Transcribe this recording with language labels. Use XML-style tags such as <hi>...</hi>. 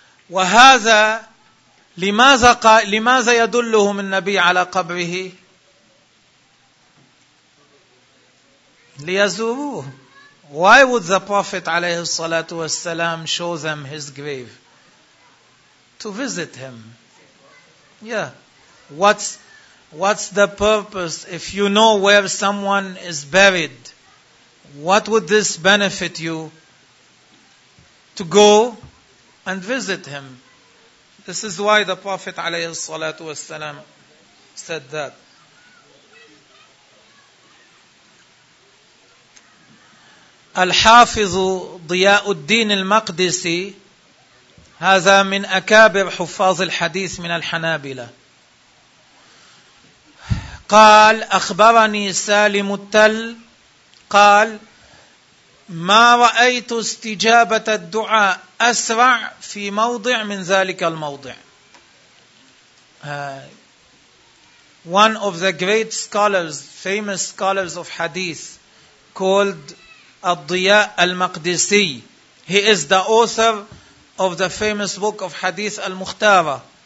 <ar>وهذا لماذا يدلهم النبي على قبره؟ ليزوروه.</ar> <en>Why would the Prophet</en> <ar>عليه الصلاة والسلام</ar> <en>show them his grave? To visit him. Yeah. What's the purpose? If you know where someone is buried, what would this benefit you? To go and visit him. This is why the Prophet</en> <ar>عليه الصلاة والسلام</ar> <en>said that.</en> <ar>الحافظ ضياء الدين المقدسي، هذا من أكابر حفاظ الحديث من الحنابلة، قال أخبرني سالم التل قال ما رأيت استجابة الدعاء أسرع في موضع من ذلك الموضع.</ar> <en>One of the great scholars, famous scholars of hadith, called الضياء المقدسي. He is the author of the famous book of hadith المختارة.</en>